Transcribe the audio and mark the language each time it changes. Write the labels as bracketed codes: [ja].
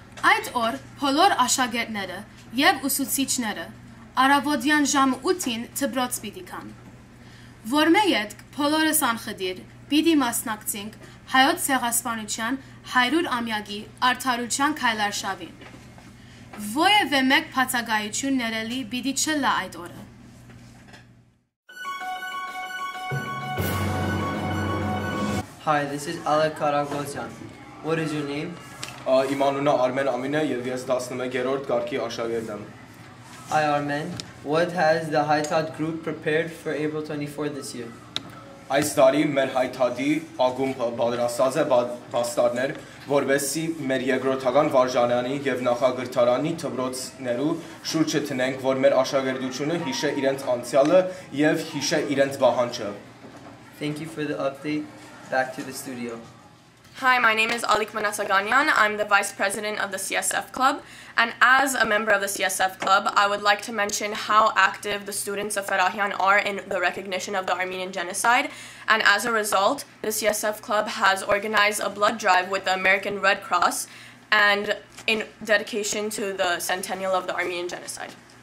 [hy] Այդ օր բոլոր աշակերտները և ուսուցիչները առավոտյան ժամ 8-ին դպրոց պիտի գան։ Որմե ետք բոլորս անխդիր պիտի մասնակցենք հայոց ցեղասպանության 100 ամյակի արդարության քայլարշավին։ Ոևէ մեկ բացակայություն ներելի պիտի չլա այդ օրը։ [en] Hi, this is Alek Karagozyan. What is your name? [hy] Իմ անունը Արմեն Ամինը եւ ես 11-րդ կարգի աշակերտ եմ։ [en] Hi Armen, what has the Haytad group prepared for April 24 this year? [hy] Այս տարի մեր Haytad-ի ակումբը պատրաստած է բաստարներ, որովհետեւ մեր երկրորդական վարժանանի եւ նախագահթարանի դպրոցներու շուրջ չտնենք, որ մեր աշակերտությունը հիշե իրենց անցյալը եւ հիշե իրենց բահանջը։ [en] Thank you for the update. Back to the studio. Hi, my name is Alik Manasaganyan. I'm the vice president of the CSF club. And as a member of the CSF club, I would like to mention how active the students of Ferrahian are in the recognition of the Armenian Genocide. And as a result, the CSF club has organized a blood drive with the American Red Cross and in dedication to the centennial of the Armenian Genocide.